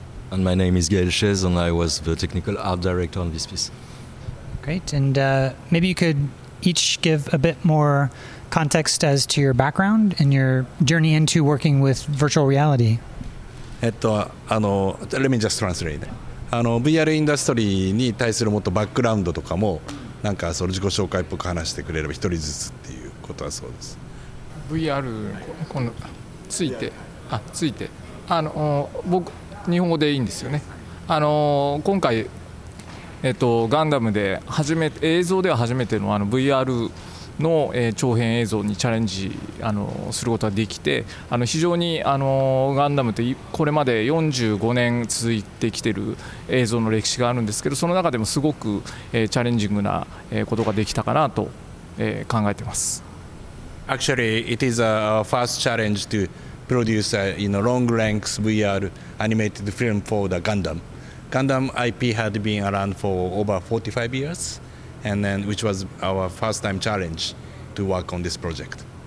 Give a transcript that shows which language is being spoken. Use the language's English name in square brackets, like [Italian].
[English] And my name is Gael Chez, and I was the technical art director on this piece. Great, and maybe you could each give a bit more context as to your background and your journey into working with virtual reality. Let me just translate. [Japanese] VR industry に対するもっとバックグラウンドとかもなんかその自己紹介っぽく話してくれれば一人ずつっていうことはそうです。 VR このついて、あ、ついて。僕、日本語でいいんですよね。今回、ガンダムで初めて、映像では初めての VR の長編映像にチャレンジすることができて非常にガンダムってこれまで45年続いてきている映像の歴史があるんですけどその中でもすごくチャレンジングなことができたかなと考えています。 [English] Actually it is our first challenge to produce a long length VR animated film for the Gundam. Gundam IP had been around for over 45 years. And then, which was our first time challenge to work on this project.